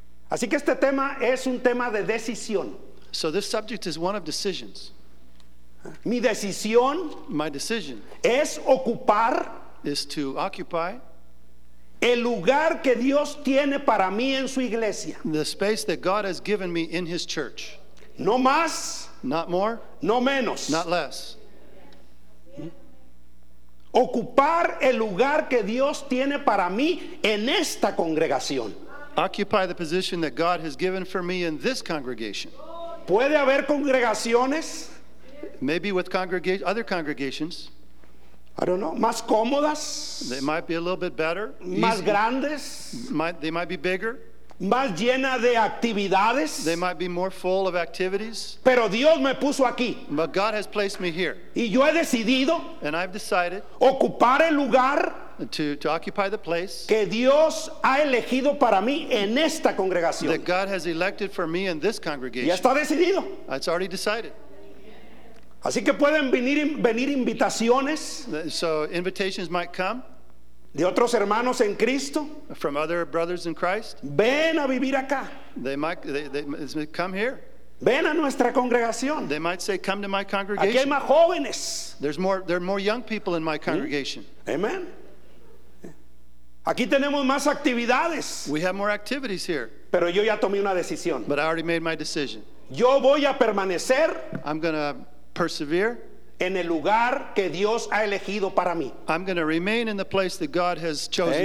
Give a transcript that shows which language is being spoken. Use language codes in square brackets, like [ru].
[es] Así que este tema es un tema de decisión. [en] So this subject is one of decisions. [es] Mi decisión, [en] my decision, [es] es ocupar, [en] is to occupy, [es] el lugar que Dios tiene para mí en su iglesia. [en] The space that God has given me in his church. [es] No más, [en] not more, [es] no menos, [en] not less. [es] Ocupar el lugar que Dios tiene para mí en esta congregación. [en] Occupy the position that God has given for me in this congregation. [es] Puede haber congregaciones. [en] Maybe with other congregations. I don't know. [es] Más cómodas. [en] They might be a little bit better. [es] Más easy. Grandes. [en] They might be bigger. [es] Más llena de actividades. [en] They might be more full of activities. [es] Pero Dios me puso aquí. [en] But God has placed me here. [es] Y yo he decidido. [en] And I've decided. [es] Ocupar el lugar. [en] To occupy the place [es] que Dios ha elegido para mí en esta congregación. [en] That God has elected for me in this congregation. [es] Ya está decidido. [en] It's already decided. [es] Así que pueden venir invitaciones. [en] So invitations might come. [es] De otros hermanos en Cristo. [en] From other brothers in Christ. [es] Ven a vivir acá. [en] They come here. [es] Ven a nuestra congregación. [en] They might say, come to my congregation. [es] Aquí hay más jóvenes. [en] There are more young people in my congregation. [es] Amen. Aquí tenemos más actividades. [en] We have more activities here. [es] Pero yo ya tomé una decisión. [en] But I already made my decision. [es] Yo voy a permanecer. [en] I'm going to persevere. [es] En el lugar que Dios ha elegido para mí. [en] I'm going to remain in the place that God has chosen.